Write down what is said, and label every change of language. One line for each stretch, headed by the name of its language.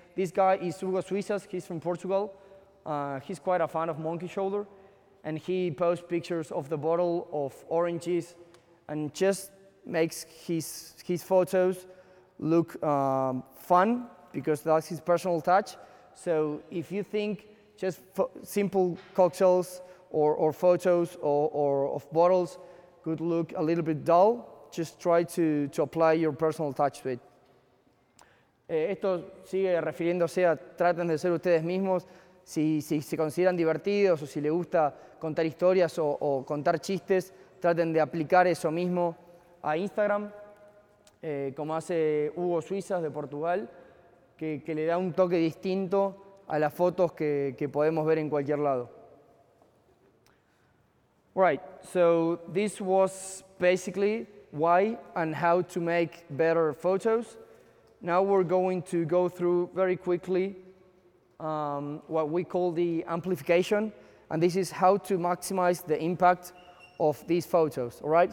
English: This guy is Hugo Suizas, he's from Portugal. He's quite a fan of Monkey Shoulder, and he posts pictures of the bottle of oranges and just makes his photos look fun, because that's his personal touch. So if you think just simple cocktails or photos or of bottles could look a little bit dull, just try to apply your personal touch to it.
Spanish: Esto sigue refiriéndose a traten de ser ustedes mismos. Si se consideran divertidos o si les gusta contar historias o contar chistes, traten de aplicar eso mismo a Instagram. Como hace Hugo Suizas de Portugal, que le da un toque distinto a las fotos que podemos ver en cualquier lado.
English: Right, so this was basically why and how to make better photos. Now we're going to go through very quickly what we call the amplification, and this is how to maximize the impact of these photos, all right?